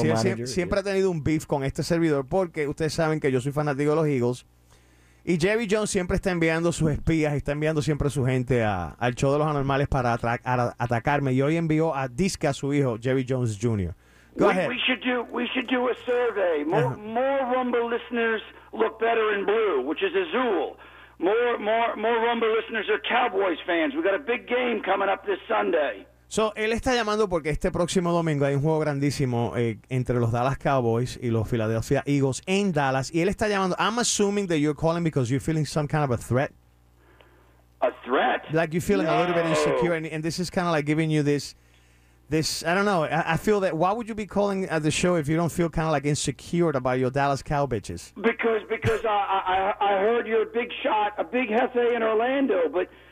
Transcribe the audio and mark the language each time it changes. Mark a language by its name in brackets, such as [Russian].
[English] General manager, [Spanish] siempre ha tenido un beef con este servidor porque ustedes saben que yo soy fanático de los Eagles. Y Jerry Jones siempre está enviando sus espías, está enviando siempre su gente al show de los anormales para atacarme. Y hoy envió a Disque a su hijo, Jerry Jones Jr. [English] Go ahead. We should do a survey. More Rumble listeners look better in blue, which is azul. More Rumble listeners are Cowboys fans. We got a big game coming up this Sunday. [Spanish] So, él está llamando porque este próximo domingo hay un juego grandísimo entre los Dallas Cowboys y los Philadelphia Eagles en Dallas. Y él está llamando. [English] I'm assuming that you're calling because you're feeling some kind of a threat. A threat? Like you're feeling no. a little bit insecure. And this is kind of like giving you this, I don't know. I feel that, why would you be calling at the show if you don't feel kind of like insecure about your Dallas Cow bitches? Because I heard you're a big shot, a big jefe in Orlando, but...